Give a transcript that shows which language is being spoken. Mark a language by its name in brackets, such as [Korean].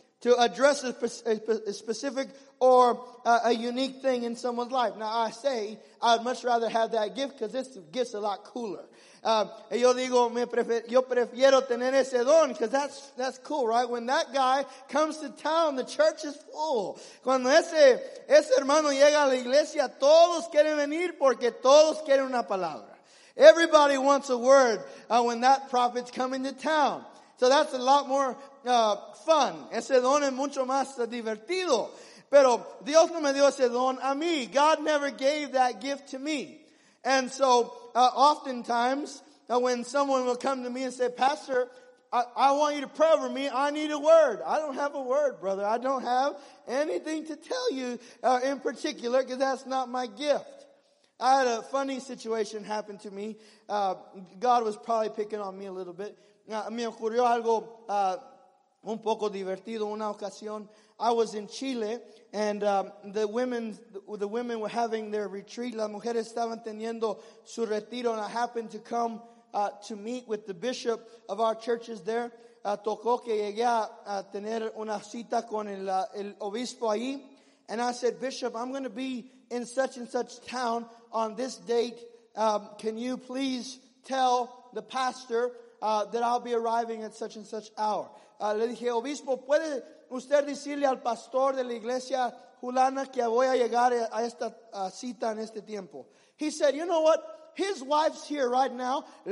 [English] To address a specific or a unique thing in someone's life. Now I say, I'd much rather have that gift because this gift's a lot cooler. [Spanish] Yo digo, yo prefiero tener ese don [English] because that's cool, right? When that guy comes to town, the church is full. [Spanish] Cuando ese hermano llega a la iglesia, todos quieren venir porque todos quieren una palabra. [English] Everybody wants a word when that prophet's coming to town. So that's a lot more fun. [Spanish] Ese don es mucho más divertido. Pero Dios no me dio ese don a mí. [English] God never gave that gift to me. And so oftentimes when someone will come to me and say, Pastor, I want you to pray over me. I need a word. I don't have a word, brother. I don't have anything to tell you in particular because that's not my gift. I had a funny situation happen to me. God was probably picking on me a little bit. [Spanish] Me ocurrió algo un poco divertido, una ocasión. [English] I was in Chile, and the women were having their retreat. [Spanish] Las mujeres estaban teniendo su retiro, [English] and I happened to come to meet with the bishop of our churches there. [Spanish] Tocó que llegué a tener una cita con el obispo ahí. [English] And I said, Bishop, I'm going to be in such and such town on this date. Can you please tell the pastor that I'll be arriving at such and such hour? [Spanish] Le dije, Obispo, ¿puede usted decirle al pastor de la iglesia Julana que voy a llegar a esta cita en este tiempo? [English] He said, you know what? His wife's here right now.